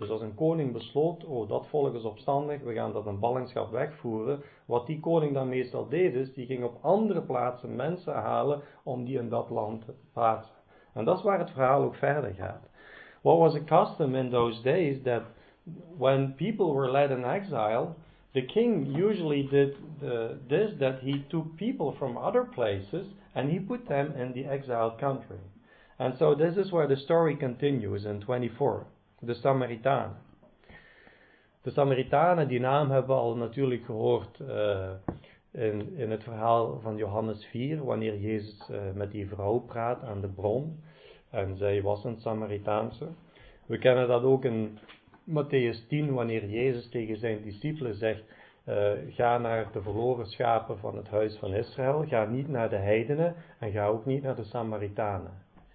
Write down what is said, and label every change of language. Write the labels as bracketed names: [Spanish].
[Dutch] Dus als een koning besloot, oh, dat volk is opstandig, we gaan dat in ballingschap wegvoeren. Wat die koning dan meestal deed is, die ging op andere plaatsen mensen halen om die in dat land te plaatsen. En dat is waar het verhaal ook verder gaat. [English] What was the custom in those days that when people were led in exile, the king usually did this, that he took people from other places and he put them in the exiled country. And so this is where the story continues in 24, the Samaritanen. [Dutch] De Samaritanen, die naam hebben we al natuurlijk gehoord in het verhaal van Johannes 4, wanneer Jezus met die vrouw praat aan de bron. En zij was een Samaritaanse. We kennen dat ook in Matthäus 10, wanneer Jezus tegen zijn discipelen zegt, ga naar de verloren schapen van het huis van Israël, ga niet naar de heidenen en ga ook niet naar de Samaritanen.